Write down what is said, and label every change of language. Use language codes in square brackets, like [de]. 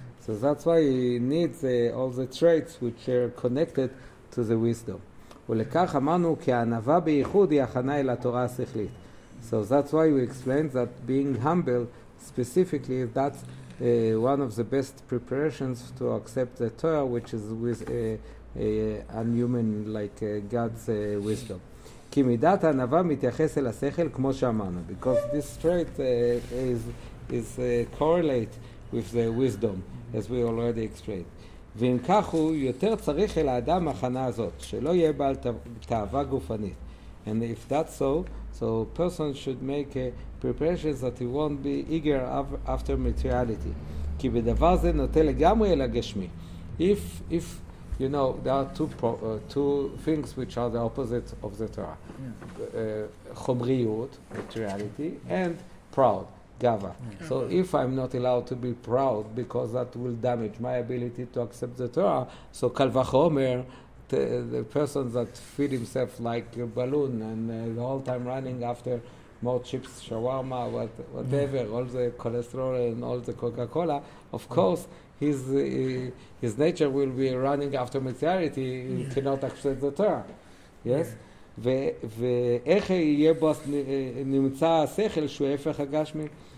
[en] So that's why he needs all the traits which are connected to the wisdom. [he] ולכך אמרנו כי הענווה בייחוד היא הכנה אל התורה השכלית. [en] So that's why we explained that being humble specifically, that's one of the best preparations to accept the Torah, which is with unhuman, like God's wisdom. [he] כי מידת הענווה מתייחס אל השכל כמו שאמרנו, [en] because this trait is correlate with the wisdom, as we already explained. [he] ואם כך הוא יותר צריך אל האדם הכנה הזאת, שלא יהיה בעל תאווה גופנית. [en] And if that's so, so a person should make preparations that he won't be eager after materiality. [he] כי בדבר זה נוטה לגמרי אל הגשמי. [en] If you know, there are two things which are the opposite of the Torah. [he] חומריות, [en] materiality, and proud, [he] גאווה. [en] So if I'm not allowed to be proud because that will damage my ability to accept the Torah, so קל וחומר, the person that feed himself like a balloon and the whole time running after more chips, shawarma, whatever, all the cholesterol and all the Coca-Cola, of course, his nature will be running after materiality. He cannot accept the Torah. Yes? [he] ואיך יהיה בו נמצא השכל שהוא הפך הגשמי?